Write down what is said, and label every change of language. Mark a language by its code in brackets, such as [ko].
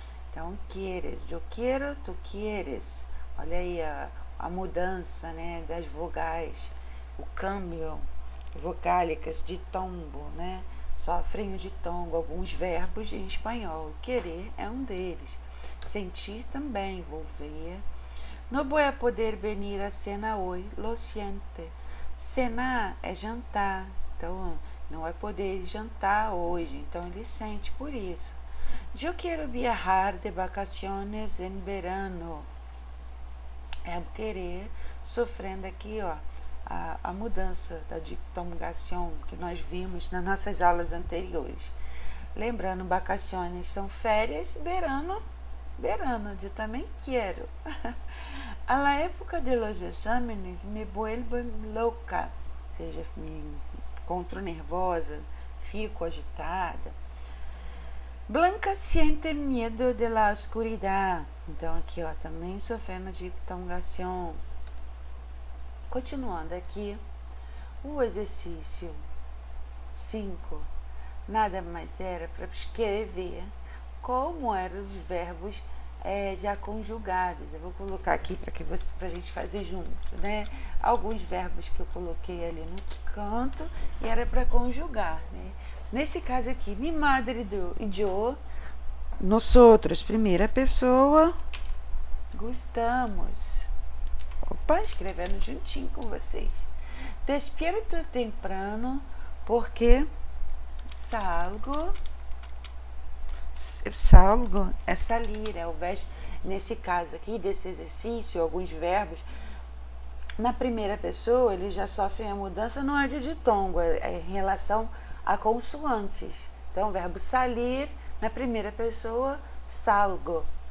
[pt] Então, queres, eu quero, tu queres. Olha aí a mudança, né, das vogais, o câmbio, vocálicas de tombo, né? Sofrem de tongo alguns verbos em espanhol. Querer é um deles. Sentir também, volver. [es] No voy a poder venir a cena hoy, lo siente. [pt] Cenar é jantar, então não vai poder jantar hoje, então ele sente por isso. [es] Yo quiero viajar de vacaciones en verano. [pt] É o querer, sofrendo aqui, ó, a mudança da diptongación que nós vimos nas nossas aulas anteriores. Lembrando, vacaciones são férias, verano. Verano, eu também quero. [es] A la época de los exámenes me vuelvo loca, [pt] ou seja, me encontro nervosa, fico agitada. [es] Blanca siente medo de la oscuridad. [pt] Então, aqui, ó, também sofrendo de diptongación. Continuando aqui, o exercício 5 nada mais era para escrever como eram os verbos já conjugados. Eu vou colocar aqui para a gente fazer junto, né? Alguns verbos que eu coloquei ali no canto e era para conjugar, né? Nesse caso aqui, mi madre do e eu Nós outros, primeira pessoa. gostamos. Opa! Escrevendo juntinho com vocês. [es] Despierto temprano porque salgo. [pt] Salgo é Salir é o verbo. Nesse caso aqui, desse exercício, alguns verbos. Na primeira pessoa, eles já sofrem a mudança no aditongo, em relação a consoantes. Então, o verbo salir, na primeira pessoa, salgo.